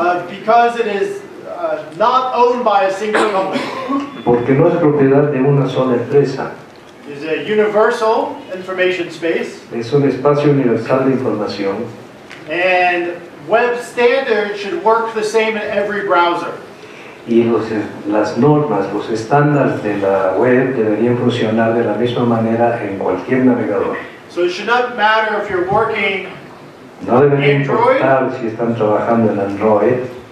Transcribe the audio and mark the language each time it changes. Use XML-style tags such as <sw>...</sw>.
<en>Because it is not owned by a single company.</en> <es>Porque no es propiedad de una sola empresa.</es> <en>It's a universal information space.</en> <es>Es un espacio universal de información.</es> <en>And web standards should work the same in every browser.</en> <es>Y las normas, los estándares de la web deberían funcionar de la misma manera en cualquier navegador.</es> <en>So it should not matter if you're working</en> <es>no debería Android, importar si están trabajando en Android,</es>